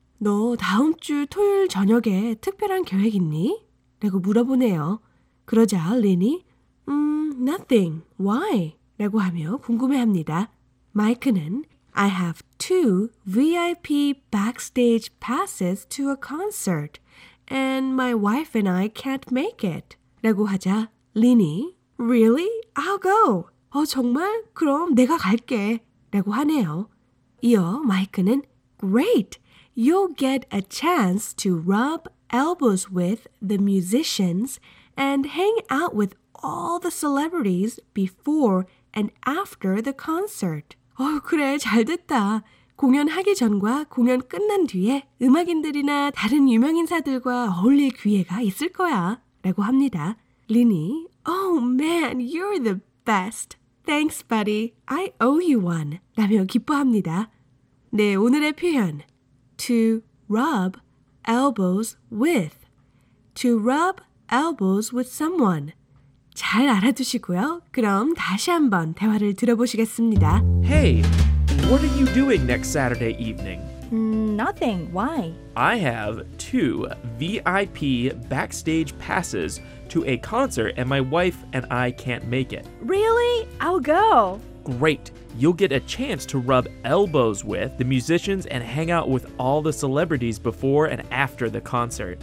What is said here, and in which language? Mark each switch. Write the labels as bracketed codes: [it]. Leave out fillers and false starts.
[ko] 너 다음 주 토요일 저녁에 특별한 계획 있니? 라고 물어보네요. 그러자 린이 [en] nothing. Why? [ko] 라고 하며 궁금해합니다. 마이크는 [en] I have two VIP backstage passes to a concert and my wife and I can't make it. [ko] 라고 하자 린이 [en] Really? I'll go. [ko] 정말? 그럼 내가 갈게. 라고 하네요. 이어 마이크는 [en] Great! You'll get a chance to rub elbows with the musicians and hang out with all the celebrities before and after the concert. [ko] 그래, 잘 됐다. 공연하기 전과 공연 끝난 뒤에 음악인들이나 다른 유명인사들과 어울릴 기회가 있을 거야. 라고 합니다. 린이 [en] Oh man, you're the best! Thanks, buddy. I owe you one. [ko] 라며 기뻐합니다. 네, 오늘의 표현. [en] To rub elbows with. To rub elbows with someone. [ko] 잘 알아두시고요. 그럼 다시 한번 대화를 들어보시겠습니다. [en] Hey, what are you doing next Saturday evening? Nothing. Why? I have two VIP backstage passes to a concert, and my wife and I can't make it. Really? I'll go. Great. You'll get a chance to rub elbows with the musicians and hang out with all the celebrities before and after the concert.